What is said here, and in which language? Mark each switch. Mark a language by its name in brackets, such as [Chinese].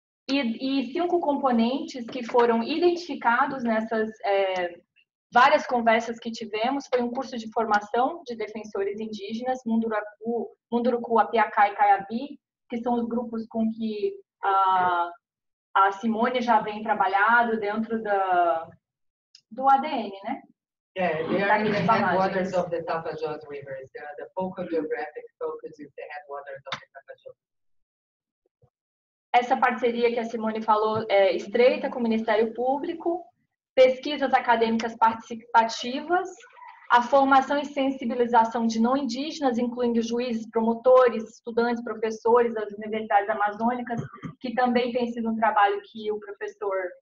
[Portuguese] E cinco componentes que foram identificados nessas várias conversas que tivemos, foi um curso de formação de defensores indígenas, Munduruku, Apiacá e Caiabi, que são os grupos com que a Simone já vem trabalhando dentro do ADN, né? [English] Yeah, they are in the headwaters of the Tapajós River. They are the focal geographic focus is the headwaters of the Tapajós. [Portuguese] Essa parceria que a Simone falou é estreita com o Ministério Público, pesquisas acadêmicas participativas, a formação e sensibilização de não indígenas, incluindo juízes, promotores, estudantes, professores das universidades amazônicas, que também tem sido um trabalho que o professor